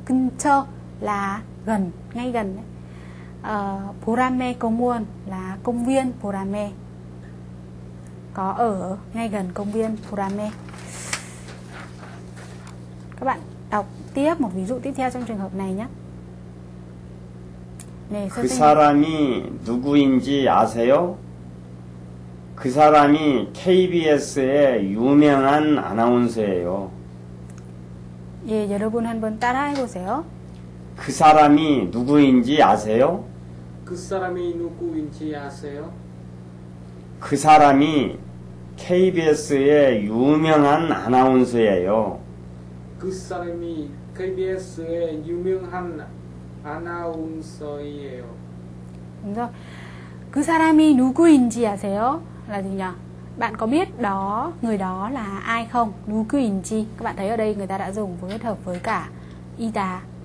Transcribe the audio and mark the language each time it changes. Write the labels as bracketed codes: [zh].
[vi] 근처 là gần, ngay gần. 보라매 공원 là công viên 보라매. Có ở ngay gần công viên 보라매. Các bạn đọc tiếp một ví dụ tiếp theo trong trường hợp này nhé. [ko] 네, 그 사람이 누구인지 아세요? 그 사람이 KBS의 유명한 아나운서예요. 예, 여러분 한번 따라해 보세요. 그 사람이 누구인지 아세요? 그 사람이 누구인지 아세요? 그 사람이 KBS의 유명한 아나운서예요. 그 사람이 KBS의 유명한 아나운서예요. 그 사람이 누구인지 아세요? [vi] là gì nhỉ? Bạn có biết đó, người đó là ai không? [ko] 누구인지. [vi] Các bạn thấy ở đây người ta đã dùng phối kết hợp với cả 이다.